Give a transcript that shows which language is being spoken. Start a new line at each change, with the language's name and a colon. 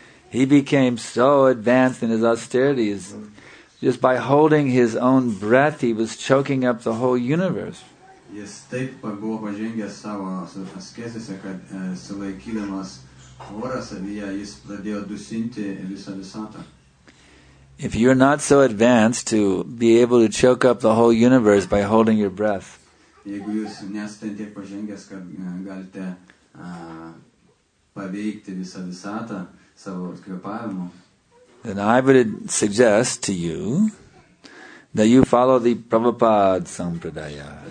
English: He became so advanced in his austerities just by holding his own breath he was choking up the whole universe.
Lithuanian: Jis taip buvo pažengęs savo askezėse, kad sulaikydamas orą savyje, jis pradėjo dusinti visą visatą.
English: If you're not so advanced to be able to choke up the whole universe by holding your breath,
Lithuanian: jeigu jūs nesate tiek pažengęs, kad galite paveikti visą visatą savo kvėpavimu,
English: then I would suggest to you that you follow the Prabhupada Sampradaya.